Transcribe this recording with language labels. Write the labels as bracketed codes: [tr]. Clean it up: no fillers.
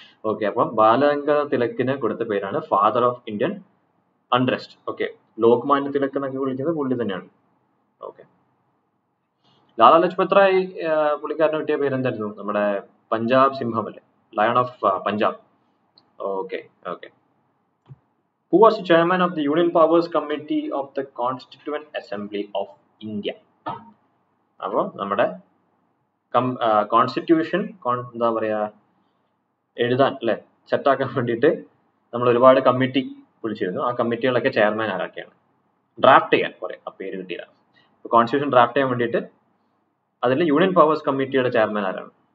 [ml] Okay, അപ്പം ബാലഗംഗാധർ തിലക്കിന് കൊടുത്ത പേരാണ് father of Indian unrest. Okay, Lokmanya Tilak എന്നൊക്കെ വിളിക്കുന്നത് പുള്ളി തന്നെയാണ്. ഓക്കെ, ലാലാ ലജ്പത് റായ് പുള്ളിക്കാരനെ കിട്ടിയ പേരെന്തായിരുന്നു? നമ്മുടെ പഞ്ചാബ് സിംഹം അല്ലേ, lion of Punjab. [en] Okay okay, Who was the chairman of the Union Powers Committee of the Constituent Assembly of India? [ml] അപ്പോൾ നമ്മുടെ കോൺസ്റ്റിറ്റ്യൂഷൻ എന്താ പറയുക, എഴുതാൻ അല്ലെ, സെറ്റാക്കാൻ വേണ്ടിയിട്ട് നമ്മൾ ഒരുപാട് കമ്മിറ്റി വിളിച്ചിരുന്നു. ആ കമ്മിറ്റികളൊക്കെ ചെയർമാൻ ആരൊക്കെയാണ്? ഡ്രാഫ്റ്റ് ചെയ്യാൻ കുറെ ആ പേര് കിട്ടിയതാണ്. അപ്പോൾ കോൺസ്റ്റിറ്റ്യൂഷൻ ഡ്രാഫ്റ്റ് ചെയ്യാൻ വേണ്ടിയിട്ട് അതിൽ യൂണിയൻ പവേഴ്സ് കമ്മിറ്റിയുടെ ചെയർമാൻ ആരാണ്?